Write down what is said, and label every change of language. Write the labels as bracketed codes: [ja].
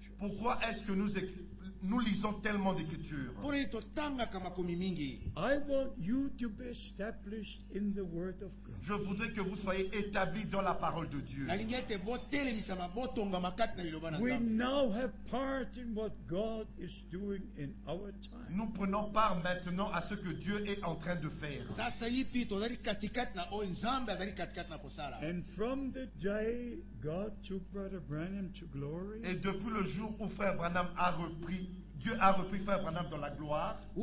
[fr] Pourquoi est-ce que nous lisons tellement d'écritures? [en] I want you to be established in the word of God. [fr] Je voudrais que vous soyez établis dans la parole de Dieu. [en] We now have part in what God is doing in our time. [fr] Nous prenons part maintenant à ce que Dieu est en train de faire. [en] And from the day God took Brother Branham to glory. [fr] Et depuis le jour où Frère Branham a repris, Dieu a repris Frère Branham dans la gloire.